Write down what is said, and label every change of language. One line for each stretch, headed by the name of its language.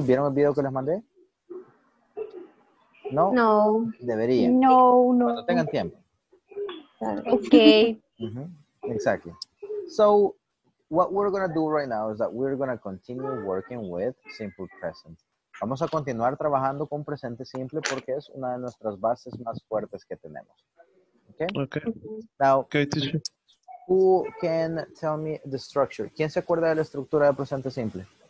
Spanish: ¿Vieron el video que les mandé? No. No. Debería. No, no. Cuando tengan tiempo.
English: Okay. Exactly. So, what we're going to do right now is that we're going to continue working with simple present.
Spanish: Vamos a continuar trabajando con presente simple porque es una de nuestras bases más fuertes que tenemos.
English: Okay? Okay. Now, okay, who can tell me the structure?
Spanish: ¿Quién se acuerda de la estructura de presente simple?